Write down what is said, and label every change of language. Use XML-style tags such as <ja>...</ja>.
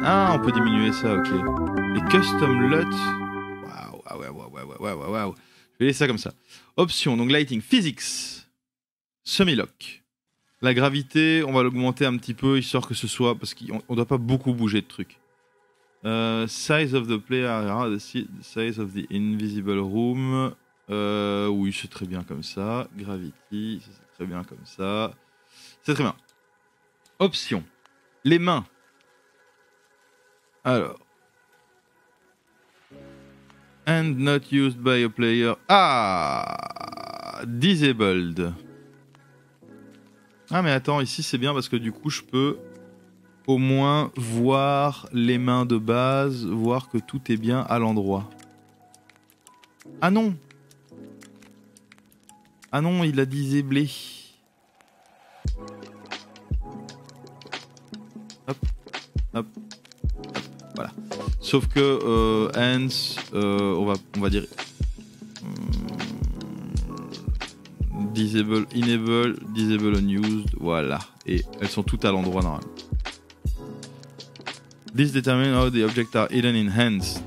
<fr>Ah, on peut diminuer ça, ok. Et custom LUT. Waouh. Je vais laisser ça comme ça. Option, donc lighting. Physics. Semi-lock. La gravité, on va l'augmenter un petit peu, histoire que ce soit, parce qu'on ne doit pas beaucoup bouger de trucs.</fr> <en>Size of the play area, size of the invisible room.</en> <fr>Oui, c'est très bien comme ça. Gravity, c'est très bien comme ça. C'est très bien. Option. Les mains. Alors.</fr> <en>And not used by a player. Ah! Disabled.</en> <fr>Ah mais attends, ici c'est bien parce que du coup je peux au moins voir les mains de base, voir que tout est bien à l'endroit. Ah non! Ah non, il a disablé. Hop, hop, hop, voilà. Sauf que Hans, on va dire</fr> <en>disable, enable, disable unused,</en> <fr>voilà. Et elles sont toutes à l'endroit normal.</fr> <en>This determines how the objects are hidden in Hans.</en>